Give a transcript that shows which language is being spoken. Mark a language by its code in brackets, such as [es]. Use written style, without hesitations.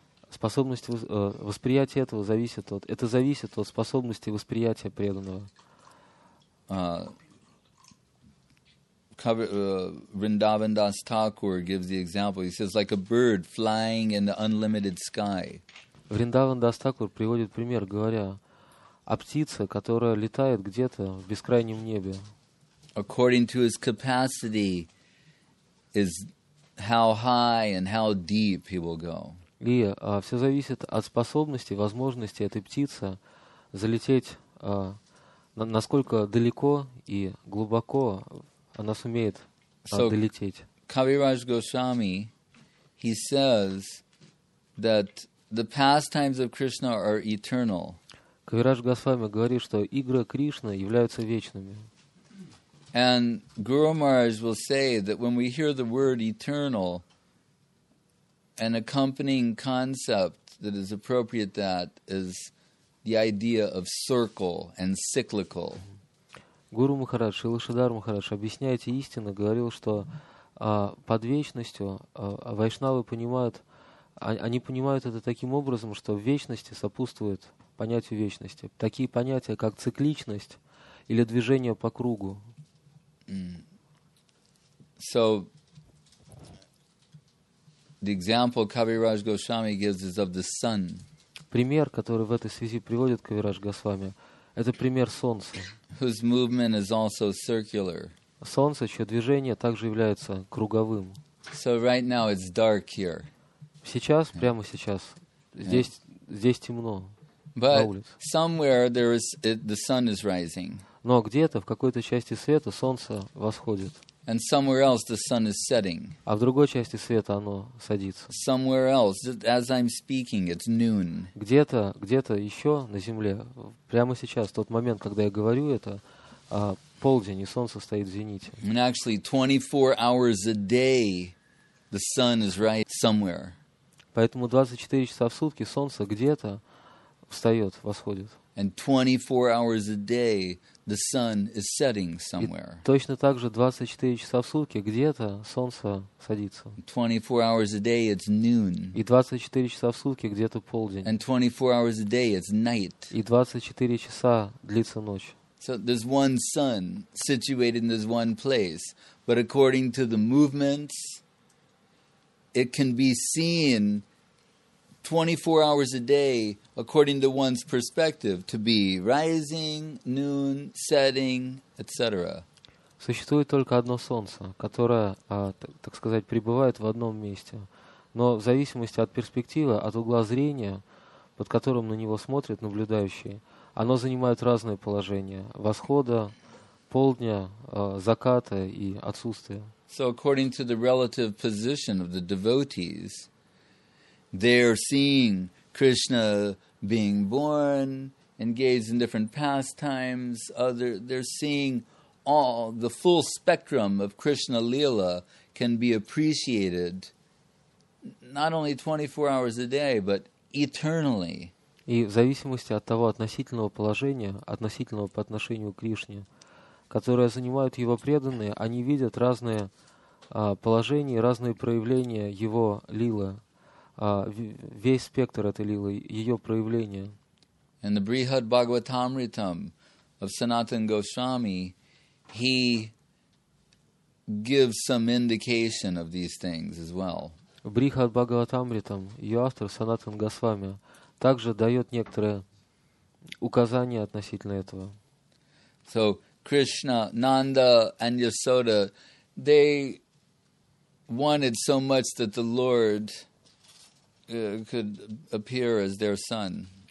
[ru] Способность восприятия этого зависит от... Это зависит от способности восприятия преданного. [en] Vrindavan Das Thakur gives the example. He says, like a bird flying in the unlimited sky. [ru] Vrindavan Das Thakur приводит пример, говоря о птице, которая летает где-то в бескрайнем небе. [en] According to his capacity, is how high and how deep he will go. [ru] И все зависит от способности, возможности этой птицы залететь, насколько далеко и глубоко она сумеет долететь. [en] So, Kaviraj Goswami, he says that the pastimes of Krishna are eternal. [ru] Кавирадж Госвами говорит, что игры Кришны являются вечными. [en] And Guru Maharaj will say that when we hear the word eternal, an accompanying concept that is appropriate to that is the idea of circle and cyclical. [ru] Гуру Махарадж, Илышидар Махарадж, объясняете истину, говорил, что под вечностью вайшнавы понимают, они понимают это таким образом, что вечности сопутствует понятию вечности. Такие понятия, как цикличность или движение по кругу. [en] So, the example Kaviraj Goswami gives is of the sun. [ru] Пример, который в этой связи приводит Кавирадж Госвами, это пример солнца. [en] Whose movement is also circular. [ru] Солнце, чье движение также является круговым. [en] So right now it's dark here. [ru] Сейчас, прямо сейчас, здесь темно. [en] But [ru] на улице. [en] Somewhere there is the sun is rising. [ru] Но где-то в какой-то части света солнце восходит. [en] And somewhere else the sun is setting. [ru] А в другой части света оно садится. [en] Somewhere else, as I'm speaking, it's noon. [ru] Где-то еще на земле, прямо сейчас, тот момент, когда я говорю это, полдень, и солнце стоит в зените. [en] And actually, 24 hours a day, the sun is right somewhere. [ru] Поэтому 24 часа в сутки солнце где-то встает, восходит. [en] And 24 hours a day, the sun is setting somewhere. [ru] И точно так же 24 часа в сутки где-то солнце садится. [en] 24 hours a day, it's noon. [ru] И 24 часа в сутки где-то полдень. [en] And 24 hours a day, it's night. [ru] И 24 часа длится ночь. [en] So there's one sun situated in this one place, but according to the movements, it can be seen 24 hours a day, according to one's perspective, to be rising, noon, setting, etc. [ru] Существует только одно солнце, которое, так сказать, пребывает в одном месте. Но в зависимости от перспективы, от угла зрения, под которым на него смотрит наблюдающий, оно занимает разное положение – восхода, полдня, заката и отсутствия. [en] So according to the relative position of the devotees, they're seeing Krishna being born, engaged in different pastimes, they're seeing all the full spectrum of Krishna Leela can be appreciated not only 24 hours a day, but eternally. [ru] И в зависимости от того относительного положения, относительного по отношению к Кришне, которое занимают его преданные, они видят разные положения, разные проявления его лилы. Весь спектр этой лилы, ее проявление. [en] In the Brihad Bhagavatamritam of Sanatana Goswami, he gives some indication of these things as well. [ru] В Брихад Бхагаватамритам ее автор Санатан Госвами также дает некоторые указания относительно этого. [en] So Krishna, Nanda and Yasoda, they wanted so much that the Lord could appear as their son.